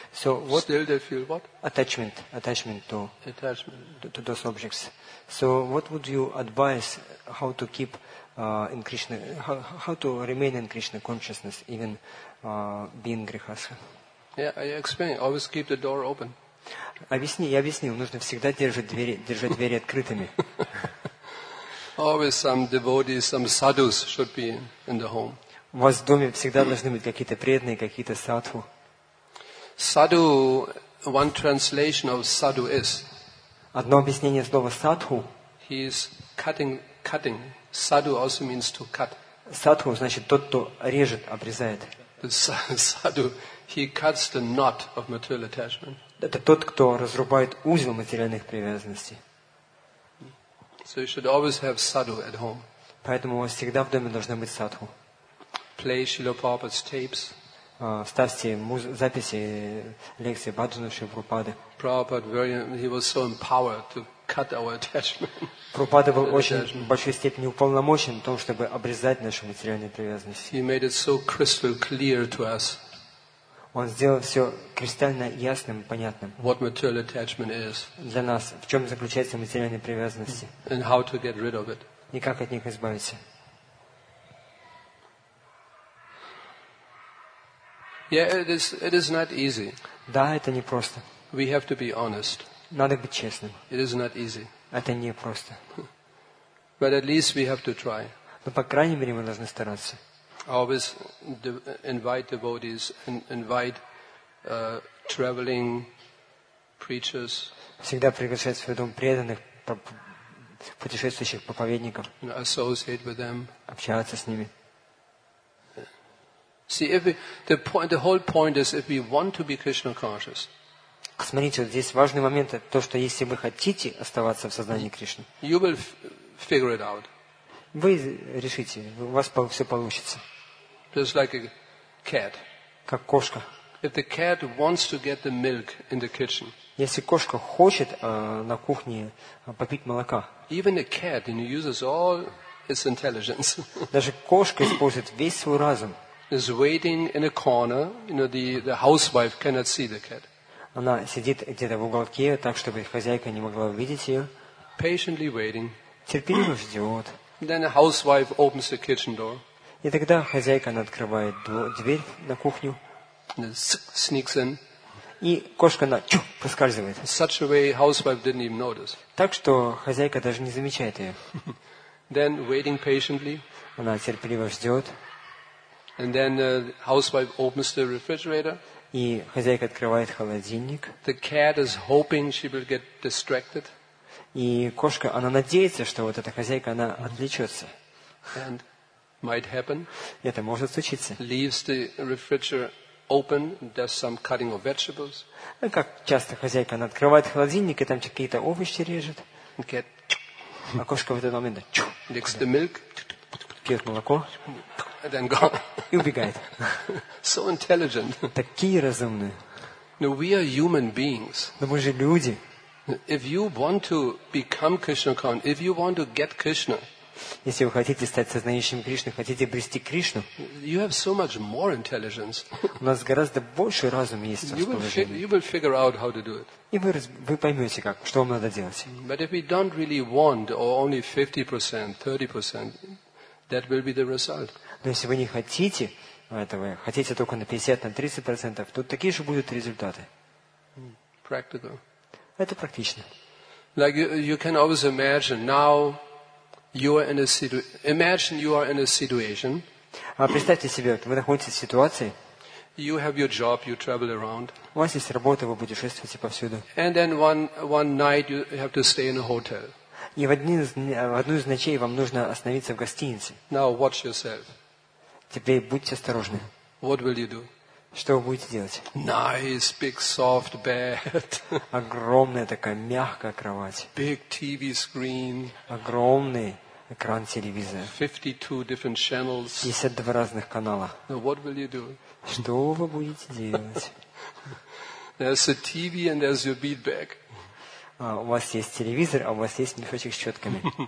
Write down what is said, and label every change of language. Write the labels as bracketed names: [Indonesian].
[English] So what? Still they feel what? Attachment. Attachment to those objects. So what would you advise how to keep in Krishna, how to remain in Krishna consciousness, even being grihastha? Yeah, I explain. Always keep the door open. [Russian] Объясни, я объяснил, нужно всегда держать двери открытыми. [English] Always some devotees, some sadhus should be in the home. [Russian] У вас в доме всегда должны быть какие-то преданные, какие-то садху. [English] Sadhu, one translation of sadhu is. [Russian] Одно объяснение слова садху. [English] He is cutting. Sadhu also means to cut. [Russian] Садху значит тот, кто режет, обрезает. [English] Sadhu, he cuts the knot of material attachment. [Russian] Это тот, кто разрубает узел материальных привязанностей. [English] So you should always have sadhu at home. [Russian] Поэтому у вас всегда в доме должны быть садху. [English] Play Srila Prabhupada's tapes. [Russian] ставьте записи лекции Бхаджана Шри Прабхупады. [English] He was so empowered to cut our attachment. [Russian] Прабхупада был очень в большой степени уполномочен в том, чтобы обрезать нашу материальную привязанность. [English] He made it so crystal clear to us. [Russian] Он сделал все кристально ясным, понятным. [English] What material attachment is. [Russian] Для нас, в чем заключается материальная привязанность. [English] And how to get rid of it. [Russian] И как от них избавиться. [English] Yeah, it is not easy. [Russian] Да, это не просто. [English] We have to be honest. [Russian] Надо быть честным. [English] It is not easy. [Russian] Это не просто. [English] But at least we have to try. [Russian] Но по крайней мере мы должны стараться. [English] I always invite devotees and invite traveling preachers. [Russian] Всегда приглашаю в свой дом преданных путешествующих проповедников. [English] Associate with them. [Russian] Общаться с ними. [English] See, if the whole point is if we want to be Krishna conscious. [Russian] Смотрите, вот здесь важный момент, то, что если вы хотите оставаться в сознании Кришны, [English] you will figure it out. [Russian] Вы решите, у вас все получится. [English] Just like a cat. [Russian] Как кошка. [English] If the cat wants to get the milk in the kitchen. [Russian] Если кошка хочет на кухне попить молока. [English] Even a cat, and he uses all its intelligence. [Russian] Даже кошка использует весь свой разум. [English] Is waiting in a corner, you know, the housewife cannot see the cat. [Russian] Она сидит где-то в уголке, так чтобы хозяйка не могла увидеть ее. [English] Patiently waiting. [Russian] Терпеливо ждет. [English] Then a housewife opens the kitchen door. [Russian] И тогда хозяйка она открывает дверь на кухню. [English] Sneaks in. [Russian] И кошка она проскальзывает. [English] In such a way, housewife didn't even notice. [Russian] Так что хозяйка даже не замечает ее. [English] Then waiting patiently. [Russian] Она терпеливо ждет. [English] And then the housewife opens the refrigerator. [Russian] И хозяйка открывает холодильник. [English] The cat is hoping she will get distracted. [Russian] И кошка, она надеется, что вот эта хозяйка, она отвлечется. [English] And might happen. [Russian] Это может случиться. [English] Leaves the refrigerator open, does some cutting of vegetables. [Russian] Как часто хозяйка, она открывает холодильник и там какие-то овощи режет. А кошка в этот момент [English] licks the milk. [Russian] Пьет молоко. [English] And then gone. [Russian] И убегает. [English] So intelligent. [Russian] Такие разумные. [English] No, we are human beings. [Russian] Но мы же люди. [English] If you want to become Krishna conscious, if you want to get Krishna, [Russian] если вы хотите стать сознающим Кришной, хотите обрести Кришну, [English] you have so much more intelligence. [Russian] У нас гораздо больше разума есть. [English] You will figure out how to do it. [Russian] И вы поймете, как, что вам надо делать. [English] But if we don't really want, or only 50%, 30%, that will be the result. [Russian] Но если вы не хотите этого, хотите только на 50, на 30%, то такие же будут результаты. [English] Practical. [Russian] Это практично. [English] Like you can always imagine now you are in a situation. Imagine you are in a situation. [Russian] А представьте себе, вы находитесь в ситуации. [English] You have your job, you travel around. [Russian] У вас есть работа, вы путешествуете повсюду. [English] And then one night you have to stay in a hotel. [Russian] И в одну из ночей вам нужно остановиться в гостинице. [English] Now watch yourself. [Russian] Теперь будьте осторожны. [English] What will you do? [Russian] Что вы будете делать? [English] Nice, big, soft bed. [Russian] Огромная такая мягкая кровать. [English] Big TV screen. [Russian] Огромный экран телевизора. [English] 52 different channels. [Russian] 52 разных канала. [English] Now what will you do? [Russian] Что вы будете делать? [English] There's a TV and there's your beat bag. [Russian] У вас есть телевизор, а у вас есть мешочек с четками.